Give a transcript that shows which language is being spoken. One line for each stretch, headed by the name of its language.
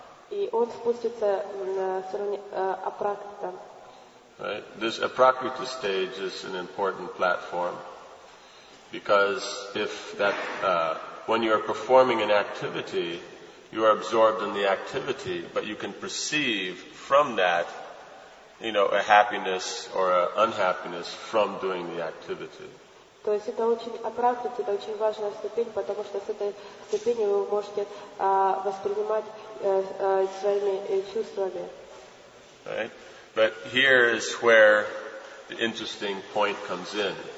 Russian: И он спустится на уровень апракрита.
English: Right. This aprakrita stage is an important platform, because if that when you are performing an activity, you are absorbed in the activity, but you can perceive from that, you know, a happiness or an unhappiness from doing the activity.
Russian: То есть это очень апракрита, это очень важная ступень, потому что с этой ступени вы можете воспринимать своими чувствами.
English: Right. But here is where the interesting point comes in.